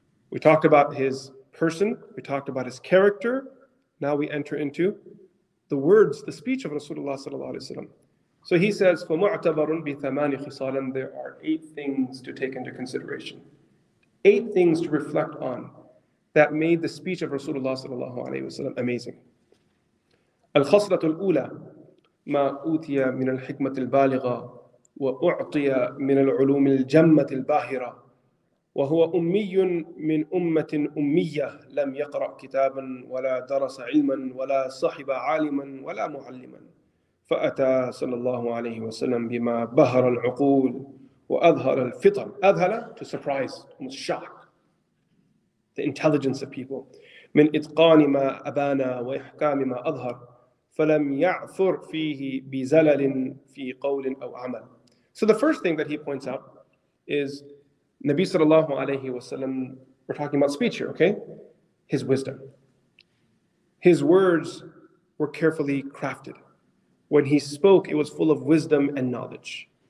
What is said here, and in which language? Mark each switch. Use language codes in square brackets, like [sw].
[en] We talked about his person, we talked about his character, now we enter into the words, the speech of Rasulullah sallallahu alayhi wa sallam. So he says, [ar] فَمُعْتَبَرٌ بِثَمَانِ خِصَالٍ. [en] There are eight things to take into consideration. Eight things to reflect on that made the speech of Rasulullah sallallahu alayhi wa sallam amazing. [ar] الخصلة الأولى ما أوتي من الحكمة البالغة وأعطي من العلوم الجمة الباهرة وهو أمي من أمة أمية لم يقرأ كتابا ولا درس علما ولا صحب عالما ولا معلما فأتى صلى الله عليه وسلم بما بهر العقول وأظهر الفطر. أذهل [en] to surprise, almost shock the intelligence of people. [ar] من إتقان ما أبانا وإحكام ما أظهر فلم يعثر فيه بزلل في قول أو عمل. [en] So the first thing that he points out is Nabi sallallahu alayhi wa sallam, we're talking about speech here, okay? his wisdom. His words were carefully crafted. When he spoke, it was full of wisdom and knowledge.